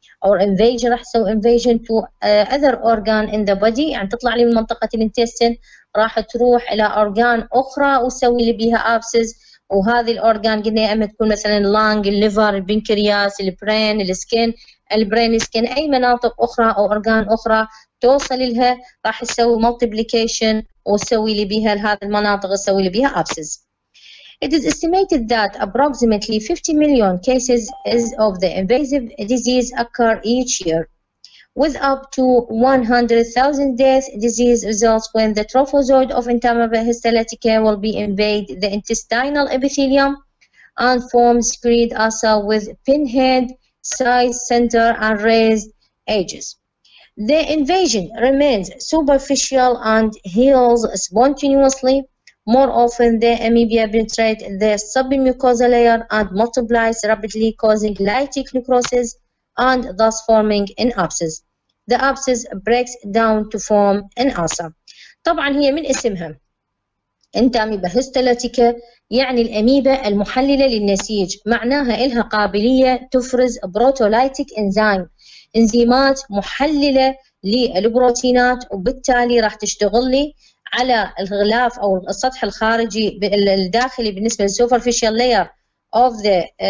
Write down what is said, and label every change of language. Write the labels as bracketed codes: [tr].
[ar] او انفيجن راح تسوي [en] invasion to other organ in the body, [ar] يعني تطلع لي من منطقه الانتستين راح تروح الى اورجان اخرى وتسوي لي بها ابسس، وهذه الاورجان قلنا اما تكون مثلا اللانج، الليفر، البنكرياس، البرين، السكين، اي مناطق اخرى او اورجان اخرى توصل لها راح تسوي multiplication وتسوي لي بها لهذه المناطق تسوي لي بها abscess. [en] It is estimated that approximately 50 million cases of the invasive disease occur each year with up to 100,000 death disease results when the trophozoid of intamibia histolytica will be invade the intestinal epithelium and forms great ulcer with pinhead size center and raised edges. The invasion remains superficial and heals spontaneously. More often, the amoeba penetrates the submucosal layer and multiplies rapidly, causing lytic necrosis and thus forming an abscess. The abscess breaks down to form an ulcer. [ar] طبعا هي من اسمها انت اميبهستلاتيكا يعني الاميبا المحللة للنسيج، معناها إلها قابلية تفرز بروتولايتيك انزيم، انزيمات محللة للبروتينات، وبالتالي راح تشتغل لي على الغلاف أو السطح الخارجي الداخلي بالنسبة للسوبرفيشال لاير اوف ذا